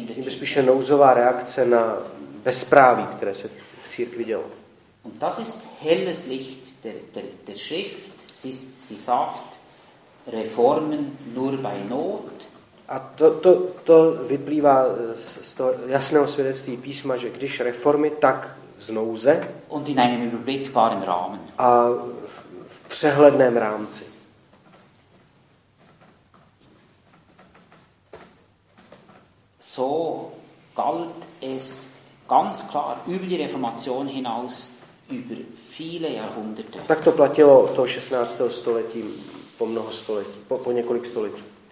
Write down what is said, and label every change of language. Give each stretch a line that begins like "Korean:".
Czech: spíše nouzová reakce na bezpráví, které se v církvi dělo.
German: Und das ist helles Licht der Schrift. Sie sagt Reformen nur bei Not.
Czech: A to vyplývá z toho jasného svědectví písma, že když reformy, tak z nouze.
German: Und in einem überblickbaren Rahmen.
Czech: A v přehledném rámci.
German: So galt es ganz klar über die Reformation hinaus über viele Jahrhunderte.
Czech: Tak to platilo to 16. století po mnoho století, po několik století.